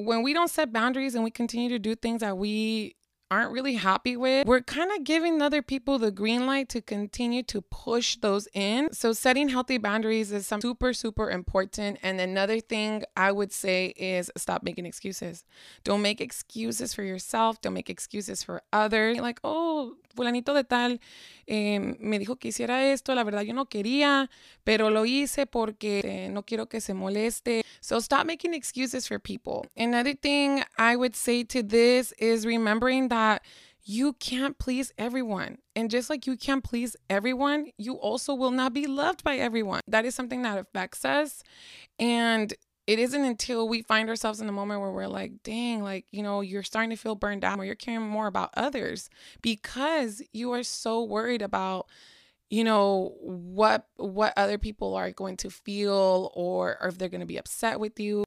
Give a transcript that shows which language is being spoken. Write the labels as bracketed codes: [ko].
[en] When we don't set boundaries and we continue to do things that we aren't really happy with, we're kind of giving other people the green light to continue to push those in. So setting healthy boundaries is super, super important. And another thing I would say is stop making excuses. Don't make excuses for yourself. Don't make excuses for others. [es] Like, oh, fulanito de tal me dijo que hiciera esto. La verdad, yo no quería, pero lo hice porque no quiero que se moleste. [en] So stop making excuses for people. Another thing I would say to this is remembering that you can't please everyone. And just like you can't please everyone, you also will not be loved by everyone. That is something that affects us. And it isn't until we find ourselves in the moment where we're like, dang, like, you know, you're starting to feel burned out, or you're caring more about others because you are so worried about, you know, what other people are going to feel, or if they're going to be upset with you.